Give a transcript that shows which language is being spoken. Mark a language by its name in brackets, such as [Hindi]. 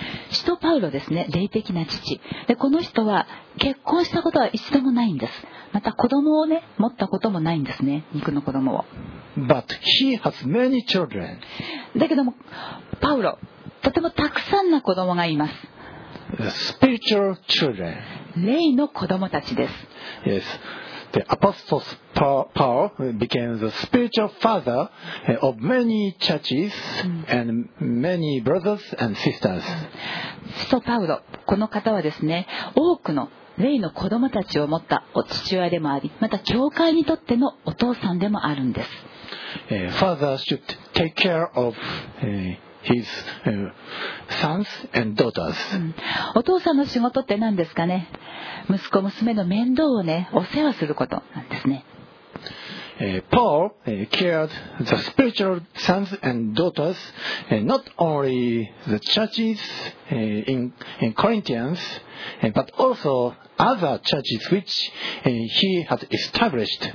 [Japanese] 使徒パウロですね、霊的な父。で、この人は結婚したことは一度もないんです。また子供を、ね、持ったこともないんですね、肉の子供を。 [English] But he has many children. [Japanese] だけどもパウロ、とてもたくさんの子供がいます。 [English] Spiritual children. [Japanese] 霊の子供たちです。 [English] Yes. The Apostle Paul became the spiritual father of many churches and many brothers and sisters. [Japanese] 使徒パウロ、この方はですね、多くの霊の子供たちを持ったお父親でもあり、また教会にとってのお父さんでもあるんです。 [English] Father should take care of his sons and daughters. [Japanese] お父さんの仕事って何ですかね。息子娘の面倒をね、お世話することなんですね。 [English] Paul cared the spiritual sons and daughters, not only the churches in Corinthians, but also other churches which he had established.